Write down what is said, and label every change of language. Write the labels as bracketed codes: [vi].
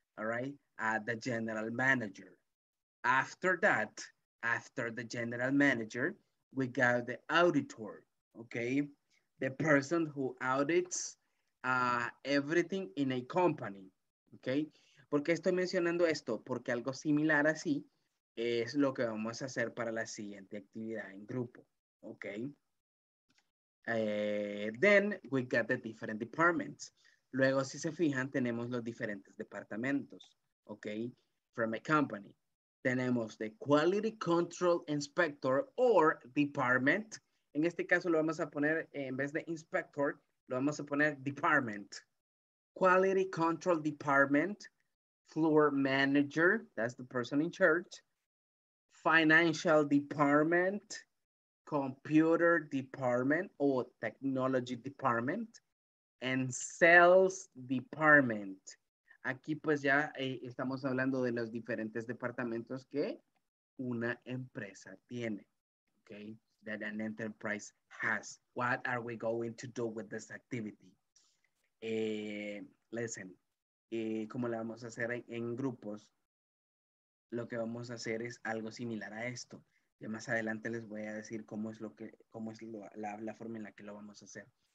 [en] All right, the general manager. After that, after the general manager, we got the auditor, okay? The person who audits everything in a company, okay? [es] ¿Por qué estoy mencionando esto? Porque algo similar así es lo que vamos a hacer para la siguiente actividad en grupo, okay? [en] Then we got the different departments. [es] Luego, si se fijan, tenemos los diferentes departamentos, okay? [en] From a company. Tenemos the quality control inspector or department. [es] En este caso lo vamos a poner, en vez de inspector, lo vamos a poner department. [en] Quality control department, floor manager, that's the person in charge. Financial department, computer department or technology department. And sales department. [es] Aquí pues ya estamos hablando de los diferentes departamentos que una empresa tiene, okay? [en] That an enterprise has. What are we going to do with this activity? [es] Listen, ¿cómo la vamos a hacer en grupos? Lo que vamos a hacer es algo similar a esto. Ya más adelante les voy a decir cómo es la forma en la que lo vamos a hacer.